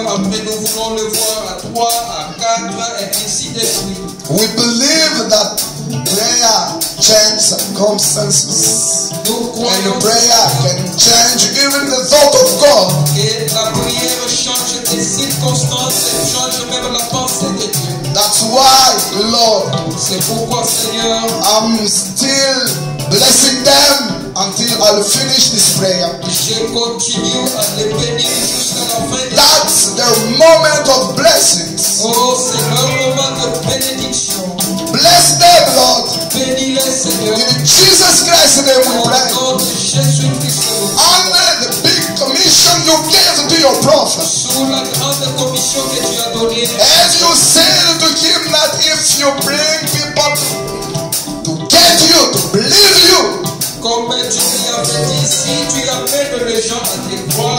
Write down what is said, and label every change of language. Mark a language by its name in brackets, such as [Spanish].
[French] Après, nous voulons le voir à trois, à quatre, et ainsi de suite. [English] We believe that prayer changes circumstances. And prayer can change even the thought of God. [French] Et la prière change des circonstances, change même la pensée de Dieu. [English] That's why, Lord, [French] c'est pourquoi, Seigneur, [English] I'm still blessing them until I'll finish this prayer. [French] Je continue à les bénir jusqu'à la fin. [English] That's the moment of blessings. [French] Oh, c'est le moment de bénédiction. [English] Bless them, Lord. [French] Bénis-les, Seigneur. [English] In Jesus Christ's name we pray. [French] Au nom de Jésus-Christ. [English] Under the big commission you gave to your prophet. [French] Sous la grande commission que tu as donnée. [English] As you said to him that if you bring people to get you, to believe you. [French] Comme tu lui as fait ici, tu appelles les gens à te croire.